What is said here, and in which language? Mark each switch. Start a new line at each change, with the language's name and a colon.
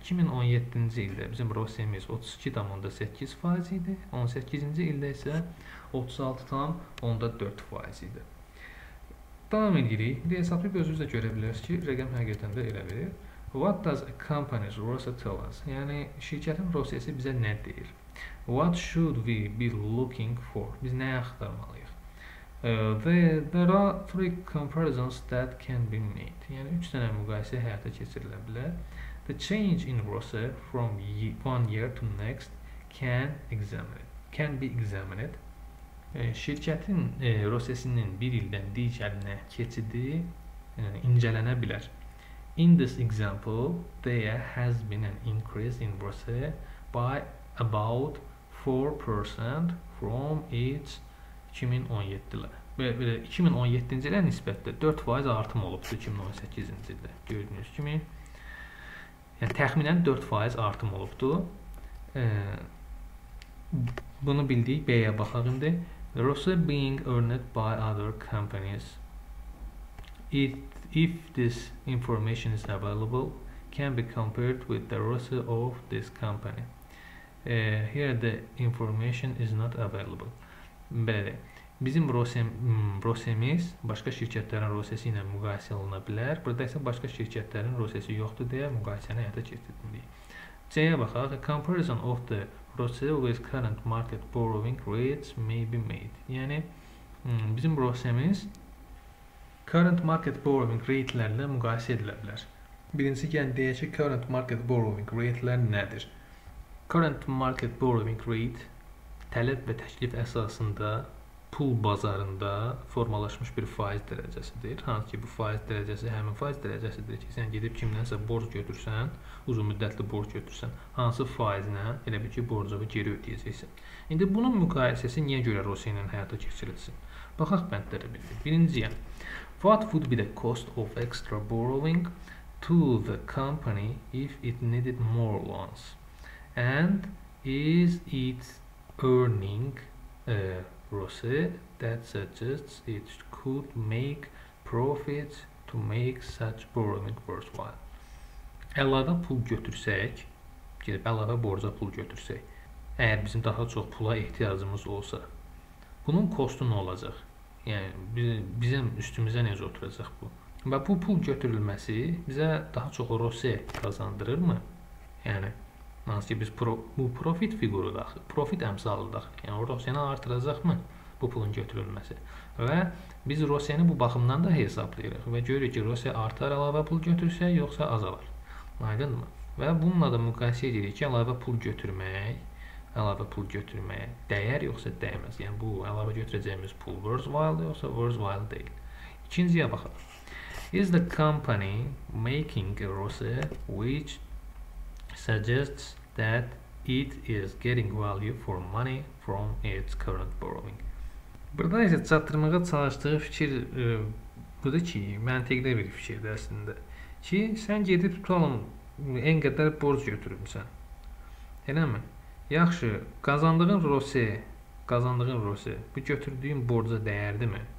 Azerbaijani: 2017-ci ildə bizim ROSE-miz 32,8% idi, 18-ci ildə isə 36,4% idi. Davam edirik. İndi hesablayıb özünüz də görə bilərsiniz ki, rəqəm həqiqətən də elə verir.
English: What does a company's ROSE tell us?
Azerbaijani: Yəni, şirkətin ROSE-si bizə nə deyil?
English: What should we be looking for?
Azerbaijani: Biz nəyə axtarmalıyıq?
English: There are three comparisons that can be made.
Azerbaijani: Yəni, üç dənə müqayisə həyata keçirilə bilər.
English: The change in ROSE from one year to next can be examined.
Azerbaijani: Şirkətin ROSE-sinin bir ildən digərinə keçidi incələnə bilər.
English: In this example, there has been an increase in ROSE by about 4% from its
Azerbaijani: 2017-ci ilə nisbətdə 4% artım olubdu 2018-ci ildə. Gördüyünüz kimi, yəni təxminən 4% artım olubdu. Bunu bildik, B-yə baxaq indi.
English: ROSE being earned by other companies. If this information is available, can be compared with the ROSE of this company. Here the information is not available.
Azerbaijani: Belə, bizim ROSE-miz başqa şirkətlərin ROSE-si ilə müqayisə oluna bilər. Burada isə başqa şirkətlərin ROSE-si yoxdur deyə müqayisəni həyata keçirdik. C-yə baxaq.
English: A comparison of the ROSE with current market borrowing rates may be made.
Azerbaijani: Yəni, bizim ROSE-miz current market borrowing rate-lərlə müqayisə edilə bilər. Birincisi, yəni deyək ki, current market borrowing rate-lər nədir? Current market borrowing rate tələb və təklif əsasında pul bazarında formalaşmış bir faiz dərəcəsidir. Hansı ki, bu faiz dərəcəsi həmin faiz dərəcəsidir ki, sən gedib kimdənsə borc götürsən, uzun müddətli borc götürsən, hansı faizinə elə bil ki, borcunu geri ödəyəcəksən. İndi bunun müqayisəsi niyə görə ROSE ilə həyata keçirilsin? Baxaq bəndlərə bir. Birinciyə,
English: What would be the cost of extra borrowing to the company if it needed more loans? And is it earning ROCE that suggests it could make profit to make such borrowing worthwhile?
Azerbaijani: Əlavə pul götürsək, gedib əlavə borca pul götürsək, əgər bizim daha çox pula ehtiyacımız olsa, bunun kostu nə olacaq? Yəni bizim üstümüzə necə oturacaq bu? Və bu pul götürülməsi bizə daha çox ROCE qazandırır mı? Yəni hansı ki biz bu profit fiquru daxil, profit əmsalıdır. Yəni ROCE-ni artıracaq mı bu pulun götürülməsi? Və biz ROCE-ni bu baxımdan da hesablayırıq və görürük ki ROCE artar əlavə pul götürsə yoxsa azalar. Aydın mı? Və bununla da müqayisə edirik ki, əlavə pul götürməyə dəyər yoxsa dəyməz. Yəni bu əlavə götürəcəyimiz pul worthwhile yoxsa worthwhile deyil. İkinciyə baxalım.
English: Is the company making a ROCE which suggests that it is getting value for money from its current borrowing?
Azerbaijani: Burada isə çatdırmağa çalışdığı fikir budur ki, məntiqli bir fikirdir əslində. Ki, sən gedib tutalım N qədər borc götürmüsən. Eləmi? Yaxşı, qazandığın ROCE, bu götürdüyün borca dəyərdimi?